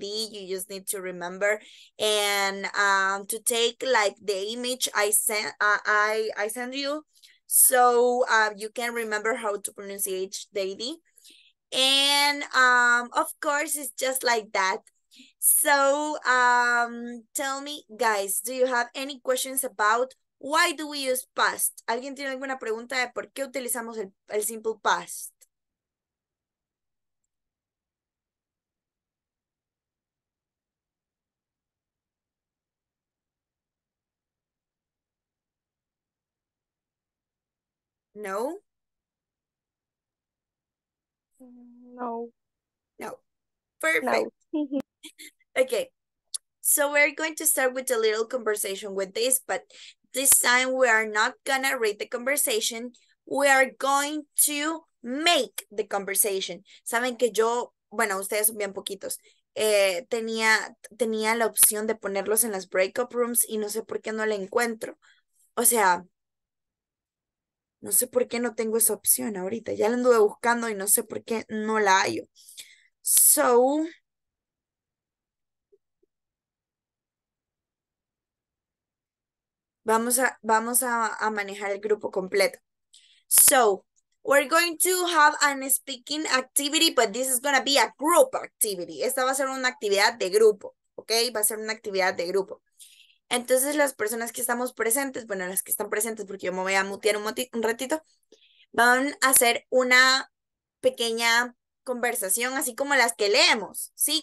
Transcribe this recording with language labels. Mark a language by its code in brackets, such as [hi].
[en] You just need to remember and to take like the image I send you. So you can remember how to pronunciate daily. And of course it's just like that. So tell me, guys, do you have any questions about why do we use past? [es] ¿Alguien tiene alguna pregunta de por qué utilizamos el simple past? No. No, [en] Perfect. [es] no. No. [en] Okay. So we're going to start with a little conversation with this, but this time we are not gonna read the conversation. We are going to make the conversation. [es] Saben que yo, bueno, ustedes son bien poquitos. Tenía la opción de ponerlos en las breakup rooms y no sé por qué no la encuentro. O sea, no sé por qué no tengo esa opción ahorita. Ya la anduve buscando y no sé por qué no la hallo. So, vamos a manejar el grupo completo. [en] So, we're going to have an speaking activity, but this is going to be a group activity. [es] Esta va a ser una actividad de grupo, ¿ok? Va a ser una actividad de grupo. Entonces, las personas que estamos presentes, bueno, las que están presentes, porque yo me voy a mutear un ratito, van a hacer una pequeña conversación, así como las que leemos, ¿sí?